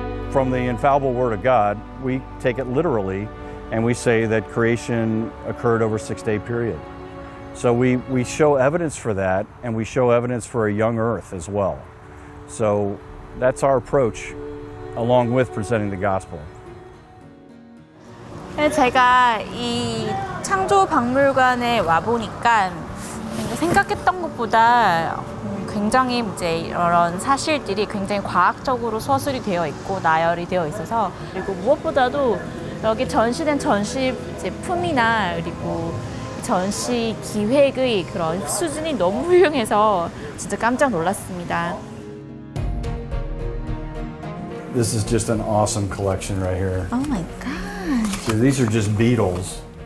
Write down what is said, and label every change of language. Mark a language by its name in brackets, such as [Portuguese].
[English] From the infallible word of God, we take it literally, and we say that creation occurred over a six-day period. So we show evidence for that, and we show evidence for a young earth as well. So that's our approach, along with presenting the gospel. [Korean] 제가 이 창조 박물관에 와보니까 생각했던 것보다 굉장히 이제 이런 사실들이 굉장히 과학적으로 서술이 되어 있고 나열이 되어 있어서 그리고 무엇보다도 여기 전시된 전시품이나 그리고 전시 기획의 그런 수준이 너무 훌륭해서 진짜 깜짝 놀랐습니다. [English] This is just an awesome collection right here. Oh my god. So these are just beetles.